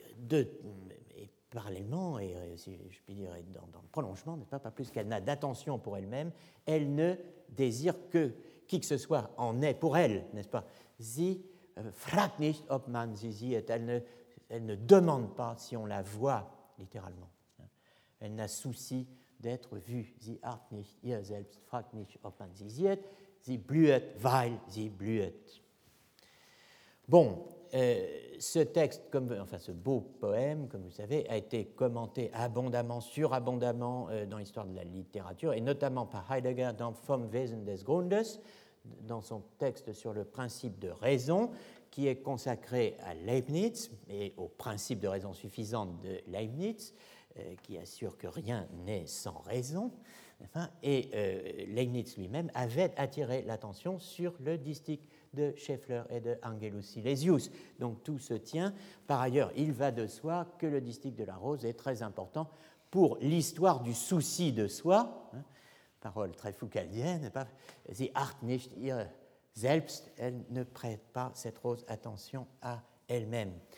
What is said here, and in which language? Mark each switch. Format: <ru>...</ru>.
<fr>Et parallèlement, et si je puis dire dans le prolongement, n'est-ce pas, pas plus qu'elle n'a d'attention pour elle-même, elle ne désire que qui que ce soit en est pour elle, n'est-ce pas?</fr> <de>Sie fragt nicht, ob man sie sieht.</de> <fr>Elle ne demande pas si on la voit, littéralement. Elle n'a souci d'être vue.</fr> <de>Sie hat nicht ihr selbst, fragt nicht, ob man sie sieht. Sie blüht, weil sie blüht.</de> <fr>Bon, ce texte, ce beau poème, comme vous savez, a été commenté abondamment, surabondamment dans l'histoire de la littérature, et notamment par Heidegger dans Vom Wesen des Grundes, dans son texte sur le principe de raison, qui est consacré à Leibniz et au principe de raison suffisante de Leibniz, qui assure que rien n'est sans raison. Enfin, et Leibniz lui-même avait attiré l'attention sur le distique de Scheffler et de Angelus Silesius. Donc tout se tient. Par ailleurs, il va de soi que le distique de la rose est très important pour l'histoire du souci de soi. Hein, parole très foucauldienne.</fr> <de>Sie acht nicht ihr selbst.</de> <fr>Elle ne prête pas cette rose attention à elle-même.</fr>